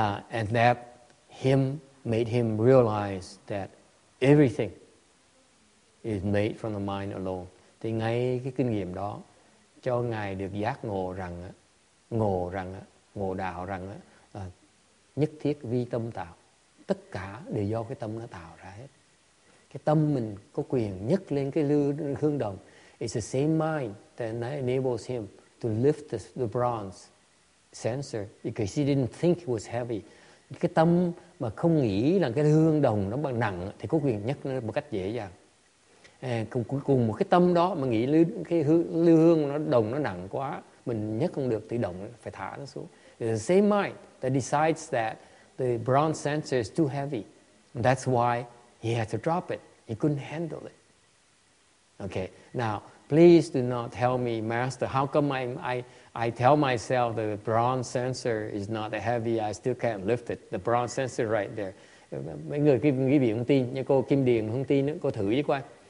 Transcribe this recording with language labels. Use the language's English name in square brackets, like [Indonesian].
[English] And that him made him realize that everything is made from the mind alone. [Vietnamese] Thì ngay cái kinh nghiệm đó cho ngài được giác ngộ đạo rằng nhất thiết vi tâm tạo, tất cả đều do cái tâm nó tạo ra hết. Cái tâm mình có quyền nhấc lên cái lư hương đồng. [English] It's the same mind that enables him to lift the bronze censer because he didn't think it was heavy. [Vietnamese] Cái tâm mà không nghĩ là cái hương đồng nó bằng nặng thì có quyền nhấc nó một cách dễ dàng. Cùng một cái tâm đó mà nghĩ cái hương nó đồng nó nặng quá, mình nhấc không được, tự động phải thả nó xuống. [English] It's the same mind that decides that the bronze censer is too heavy. That's why he had to drop it. He couldn't handle it. Okay. Now, please do not tell me, Master, how come I tell myself the bronze censer is not that heavy, I still can't lift it. The bronze censer right there. [Vietnamese] Mấy người quý vị không tin, như cô Kim Điền không tin nữa, cô thử với coi.